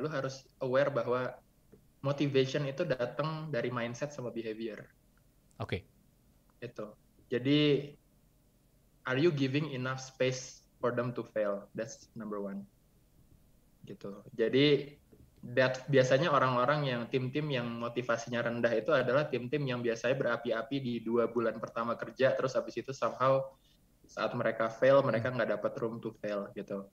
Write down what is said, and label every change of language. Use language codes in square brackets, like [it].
[id] Lu harus aware bahwa motivation itu datang dari mindset sama behavior. Oke. [en] Okay. [id] Itu. Jadi, [en] are you giving enough space for them to fail? That's number one. [id] Gitu. Jadi that biasanya orang-orang yang tim-tim yang motivasinya rendah itu adalah tim-tim yang biasanya berapi-api di 2 bulan pertama kerja, terus habis itu [en] somehow [id] saat mereka fail mereka nggak dapat [en] room to fail [id] gitu.